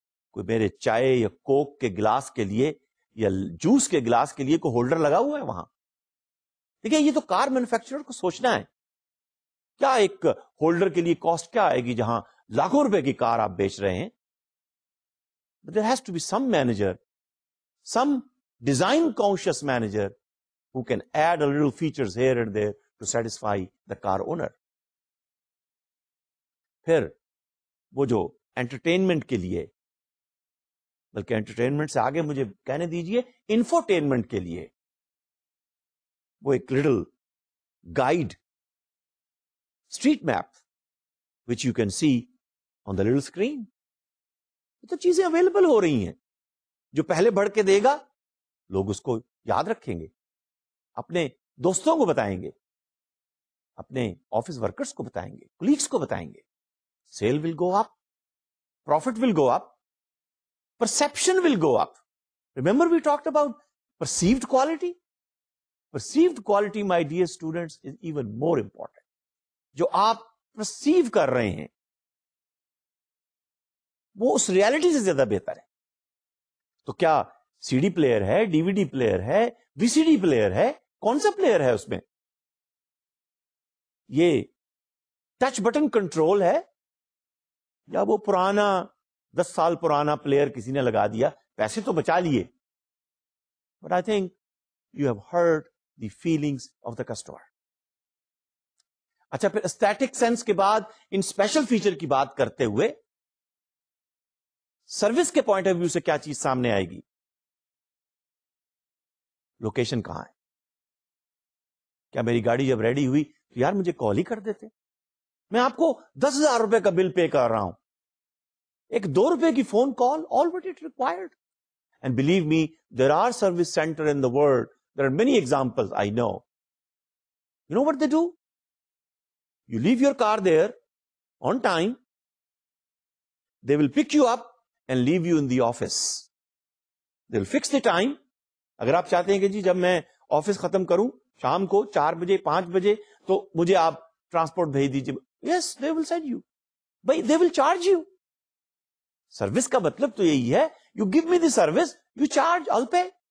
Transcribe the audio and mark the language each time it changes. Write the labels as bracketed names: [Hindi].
[Urdu] کوئی میرے چائے یا کوک کے گلاس کے لیے یا جوس کے گلاس کے لیے کوئی ہولڈر لگا ہوا ہے وہاں؟ دیکھیں یہ تو کار مینوفیکچرر کو سوچنا ہے, کیا ایک ہولڈر کے لیے کاسٹ کیا آئے گی جہاں لاکھوں روپے کی کار آپ بیچ رہے ہیں. [English] But there has to be some manager, some design conscious manager who can add a little features here and there to satisfy the car owner. [Urdu] پھر وہ جو انٹرٹینمنٹ کے لیے, بلکہ انٹرٹینمنٹ سے آگے مجھے کہنے دیجئے انفوٹینمنٹ کے لیے, وہ ایک [English] Little guide street map which you can see on the little screen. [Urdu] تو چیزیں اویلیبل ہو رہی ہیں, جو پہلے بڑھ کے دے گا لوگ اس کو یاد رکھیں گے, اپنے دوستوں کو بتائیں گے, اپنے آفس ورکرس کو بتائیں گے, کلیگس کو بتائیں گے, [English] sale will go up, [Urdu] profit will go up, perception will go up. [English] Remember we talked about perceived quality. Perceived quality my dear students is even more important. [Urdu] جو آپ پرسیو کر رہے ہیں وہ اس ریالٹی سے زیادہ بہتر ہے. تو کیا سی ڈی پلیئر ہے, ڈی وی ڈی پلیئر ہے, وی سی ڈی پلیئر ہے, کون سا پلیئر ہے اس میں؟ یہ ٹچ بٹن کنٹرول ہے یا وہ پرانا 10 سال پرانا پلیئر کسی نے لگا دیا, پیسے تو بچا لیے. [English] But I think you have heard the feelings of the customer. [Urdu] اچھا پھر استھیٹک سینس کے بعد ان اسپیشل فیچر کی بات کرتے ہوئے سروس کے پوائنٹ آف ویو سے کیا چیز سامنے آئے گی؟ لوکیشن کہاں ہے؟ کیا میری گاڑی جب ریڈی ہوئی تو یار مجھے کال ہی کر دیتے؟ میں آپ کو 10,000 روپے کا بل پے کر رہا ہوں, ایک 2 روپے کی phone call [English] Already it required. And believe me there are service centre in the world, there are many examples I know. You know what they do, you leave your car there on time, they will pick you up and leave you in the office. They'll fix the time. [Urdu] اگر آپ چاہتے ہیں کہ جی جب میں office ختم کروں شام کو 4 بجے 5 بجے تو مجھے آپ ٹرانسپورٹ بھیج دیجیے, [English] yes they will send you. بھائی they will charge you. [Urdu] Service کا مطلب تو یہی ہے, [English] You give me the service you charge, all pay.